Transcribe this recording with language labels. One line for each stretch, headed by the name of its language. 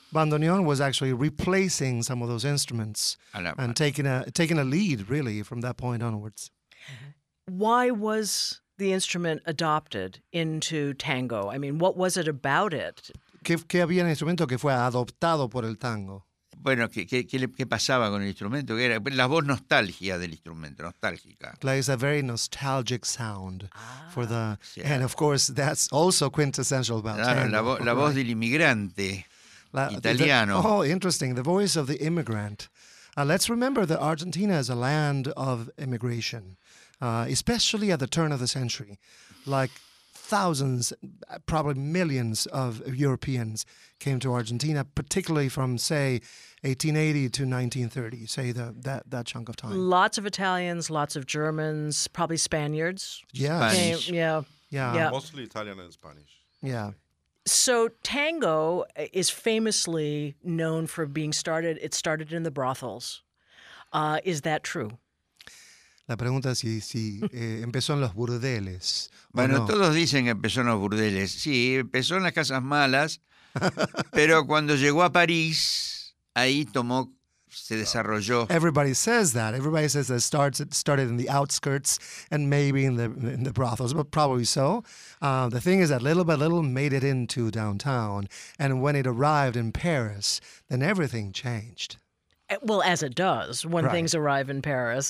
English: Bandoneón was actually replacing some of those instruments and taking a lead really from that point onwards. Why was the instrument adopted into tango? I mean, what was it about it?
Spanish: ¿Qué había en el instrumento que fue adoptado por el tango? Bueno, ¿qué pasaba con el instrumento? Que era la voz nostalgia del instrumento, nostálgica.
English: Like it's a very nostalgic sound for the... Yeah. And of course, that's also quintessential about tango.
Spanish: La voz del inmigrante italiano.
English: Interesting. The voice of the immigrant. Let's remember that Argentina is a land of immigration. Especially at the turn of the century, like thousands, probably millions of Europeans came to Argentina, particularly from, say, 1880 to 1930, say that chunk of time. Lots of Italians, lots of Germans, probably Spaniards. Yeah. Yeah. Mostly Italian and Spanish. Yeah. So tango is famously known for being started. It started in the brothels. Is that true?
Spanish: La pregunta es si empezó en los burdeles. Bueno, no. Todos dicen que empezó en los burdeles. Sí, empezó en las casas malas, pero cuando llegó a París, ahí tomó, se desarrolló.
English: Everybody says that. Everybody says that started in the outskirts and maybe in the brothels, but probably so. The thing is that little by little made it into downtown, and when it arrived in Paris, then everything changed. Well, as it does when things arrive in Paris.